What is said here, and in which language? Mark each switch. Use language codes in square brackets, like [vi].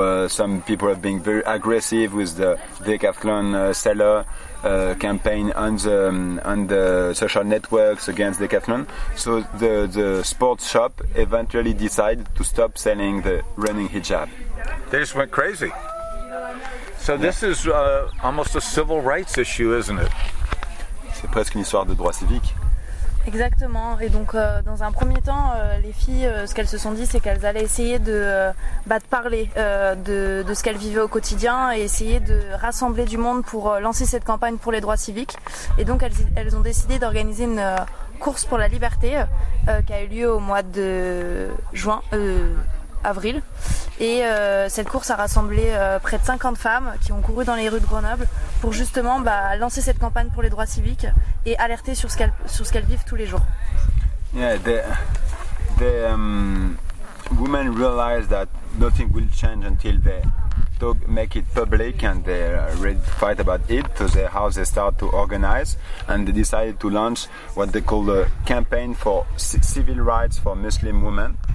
[en] Some people have been very aggressive with the Decathlon seller campaign on the social networks against Decathlon. So the sports shop eventually decided to stop selling the running hijab. They just went crazy. So this is almost a civil rights issue, isn't it? [fr] C'est presque une histoire de droit civique. Exactement. Et donc, dans un premier temps, les filles, ce qu'elles se sont dit, c'est qu'elles allaient essayer de, de parler de ce qu'elles vivaient au quotidien et essayer de rassembler du monde pour lancer cette campagne pour les droits civiques. Et donc, elles ont décidé d'organiser une course pour la liberté qui a eu lieu au mois de juin, avril. Et cette course a rassemblé près de 50 femmes qui ont couru dans les rues de Grenoble pour justement lancer cette campagne pour les droits civiques et alerter sur ce qu'elles vivent tous les jours. [en] Yeah, the women realize that nothing will change until they talk, make it public and they ready to fight about it. So they, how they start to organize and they decided to launch what they call a campaign for civil rights for Muslim women.